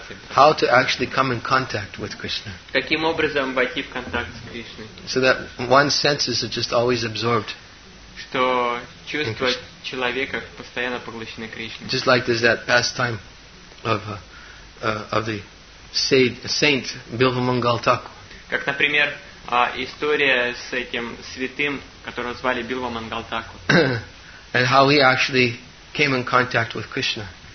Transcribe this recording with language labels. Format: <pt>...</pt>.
<en>How to actually come in contact with Krishna.</en> <ru>Каким образом войти в контакт с Кришной?</ru> <en>So that one's senses are just always absorbed.</en> <ru>Что чувства человека постоянно поглощены Кришной.</ru> <en>Just like there's that pastime of the saint Bilva Mangal Thakur.</en> <ru>Как, например, история с этим святым, которого звали Bilva Mangal Thakur.</ru> <en>And how he actually came in contact with Krishna.</en>